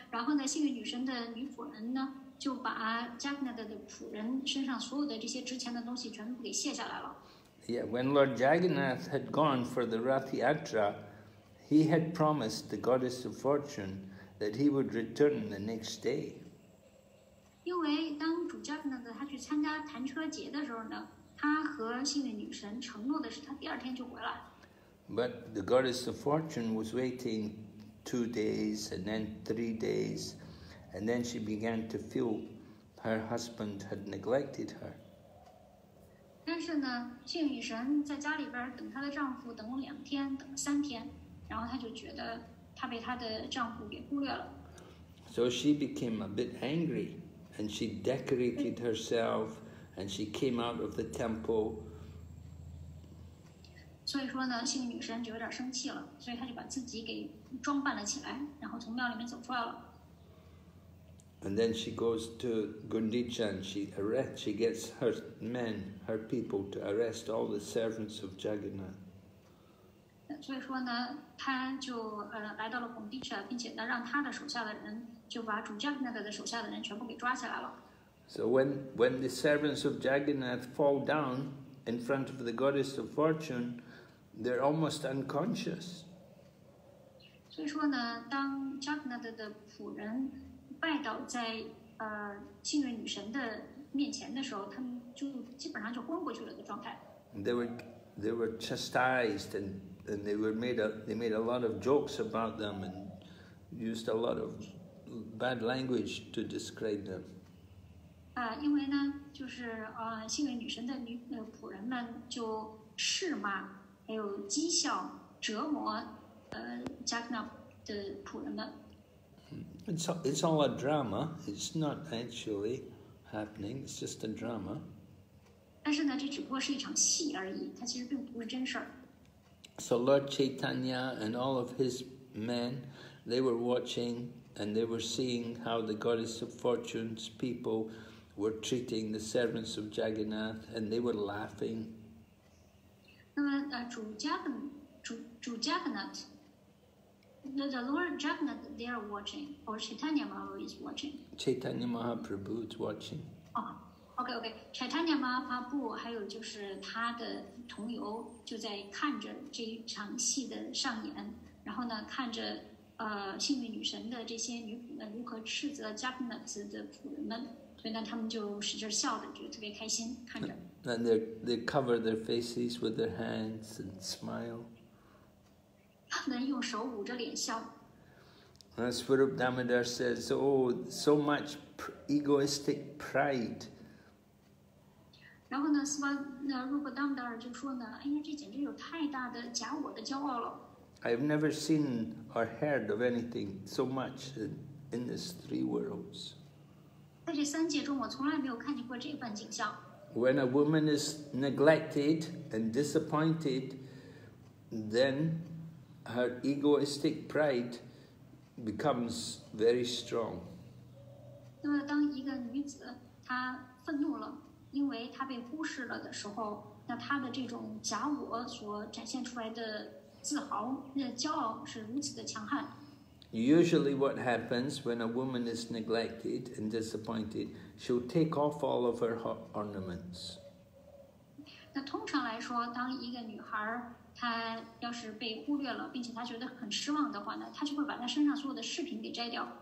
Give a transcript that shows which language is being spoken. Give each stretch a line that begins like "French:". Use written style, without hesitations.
Chinese: 然后呢，幸运女神的女仆人呢，就把 Jagannath 的仆人身上所有的这些值钱的东西全部给卸下来了。
English: Yeah, when Lord Jagannath had gone for the Rath Yatra, he had promised the goddess of fortune that he would return the next day.
Chinese: 因为当主 Jagannath 他去参加弹车节的时候呢，他和幸运女神承诺的是他第二天就回来。
English: But the goddess of fortune was waiting. 2 days and then 3 days, and then she began to feel her husband had neglected her.
Chinese: 但是呢，幸运女神在家里边等她的丈夫等了两天，等了三天，然后她就觉得她被她的丈夫给忽略了。
English: So she became a bit angry, and she decorated herself, and she came out of the temple.
Chinese: 所以说呢，幸运女神就有点生气了，所以她就把自己给。装扮了起来，然后从庙里面走出来了。
English: And then she goes to Gundicha and she gets her men, her people to arrest all the servants of Jagannath.
Chinese: 所以说呢，他就来到了 Gundicha， 并且呢让他的手下的人就把主 Jagannath 的手下的人全部给抓起来了。
English: So when the servants of Jagannath fall down in front of the goddess of fortune, they're almost unconscious.
Chinese: 所以说呢，当 Jagannath 的仆人拜倒在幸运女神的面前的时候，他们就基本上就昏过去了的状态。
English: They were chastised and they made a lot of jokes about them and used a lot of bad language to describe them.
Chinese: 因为呢，就是幸运女神的仆人们就斥骂，还有讥笑、折磨。
English: It's all a drama. It's not actually happening. It's just a drama.
Chinese: 但是呢，这只不过是一场戏而已，它其实并不是真事儿。
English: So Lord Chaitanya and all of his men, they were watching and they were seeing how the goddess of fortune's people were treating the servants of Jagannath, and they were laughing.
Chinese: 那么主 Jagannath.
English: The Lord Jagannath, they are watching, or Chaitanya Mahaprabhu is watching. Chaitanya Mahaprabhu is watching.
Chinese: Okay. Chaitanya Mahaprabhu, 还有就是他的同游就在看着这一场戏的上演，然后呢，看着幸运女神的这些女仆们如何斥责 Jagannath 的仆人们，所以呢，他们就使劲笑着，就特别开心看着。
English: And they cover their faces with their hands and smile. And Swarup Damodar says, oh, so much egoistic pride.
Chinese: 然后呢，斯巴那如果达摩达尔就说呢，哎呀，这简直有太大的假我的骄傲了。
English: I've never seen or heard of anything so much in these three worlds.
Chinese: 在这三界中，我从来没有看见过这般景象。
English: When a woman is neglected and disappointed, then her egoistic pride becomes very strong.
Chinese: 那么当一个女子她愤怒了，因为她被忽视了的时候，那她的这种假我所展现出来的自豪，那骄傲是如此的强悍。
English: Usually what happens when a woman is neglected and disappointed, she'll take off all of her ornaments.
Chinese: 那通常来说，当一个女孩她要是被忽略了，并且她觉得很失望的话呢，她就会把她身上所有的饰品给摘掉。